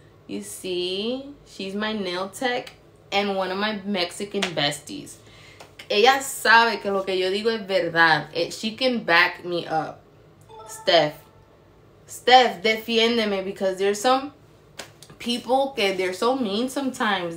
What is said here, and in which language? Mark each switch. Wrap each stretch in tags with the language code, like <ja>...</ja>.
<en>You see, she's my nail tech and one of my Mexican besties.</en> <es>Ella sabe que lo que yo digo es verdad.</es> <en>She can back me up. Steph,</en> <es>defiéndeme,</es> <en>because there's some people que they're so mean sometimes.</en>